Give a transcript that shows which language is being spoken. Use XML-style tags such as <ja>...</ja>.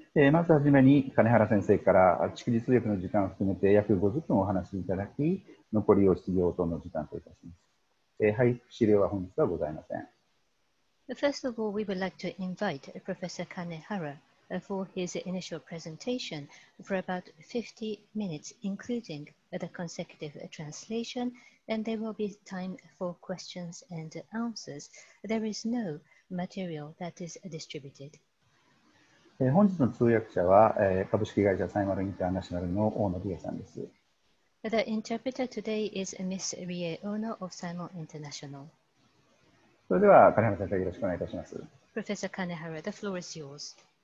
<ja>まずはじめに金原先生から逐次通訳の時間を含めて約50分お話しいただき、残りを質疑応答の時間といたします。配布資料は本日はございません。</ja> <en>First of all, we would like to invite Professor Kanehara for his initial presentation for about 50 minutes, including the consecutive translation, and there will be time for questions and answers. There is no material that is distributed.</en> <ja>本日の通訳者は株式会社サイマルインターナショナルの大野理恵さんです。</ja> <en>The interpreter today is Ms. Rie Ono of Simon International.</en> <ja>それでは金原先生よろしくお願いいたします。</ja> <en>Professor Kanehara, the floor is yours.</en>